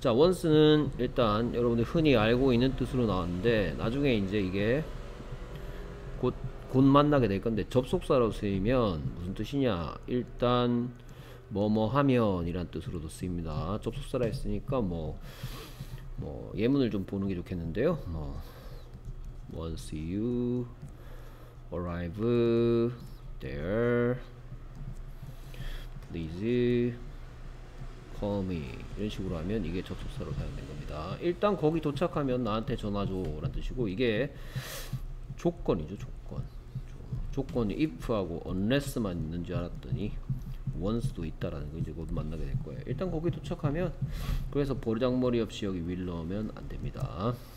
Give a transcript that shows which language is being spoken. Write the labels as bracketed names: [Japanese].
[Korean] 자, once는 일단 여러분들 흔히 알고 있는 뜻으로 나왔는데 나중에 이제 이게 곧 만나게 될 건데 접속사로 쓰이면 무슨 뜻이냐? 일단 뭐뭐 하면이란 뜻으로도 쓰입니다. 접속사라 했으니까 뭐 예문을 좀 보는 게 좋겠는데요. [English] 뭐 once you arrive there, please call me. [Korean] 이런 식으로 하면 이게 접속사로 사용된 겁니다. 일단 거기 도착하면 나한테 전화 줘라는 뜻이고 이게 조건이죠. 조건이 if하고 unless만 있는 줄 알았더니 once도 있다라는 거 이제 곧 만나게 될 거예요. 일단 거기 도착하면 그래서 보리장머리 없이 여기 will 넣으면 안 됩니다.